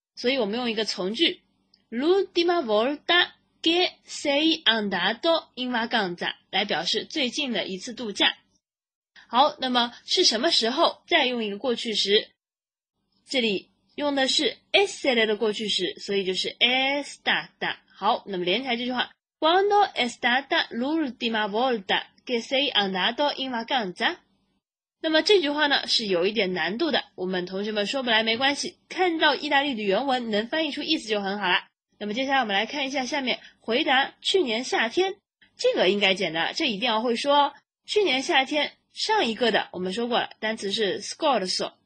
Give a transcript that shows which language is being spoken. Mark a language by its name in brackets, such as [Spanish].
[Chinese] 所以我们用一个从句 [Italian] l'ultima volta che sei andato in vacanza [Chinese] 来表示最近的一次度假。好，那么是什么时候？再用一个过去时，这里用的是 essere 的过去时，所以就是 [Italian] è stata。 [Chinese] 好，那么连起来这句话， [Italian] quando è stata l'ultima volta che sei andato in vacanza。 [Chinese] 那么这句话呢是有一点难度的，我们同学们说不来没关系，看到意大利的原文能翻译出意思就很好了。那么接下来我们来看一下下面回答。去年夏天，这个应该简单，这一定要会说。去年夏天，上一个的我们说过了，单词是 scorso。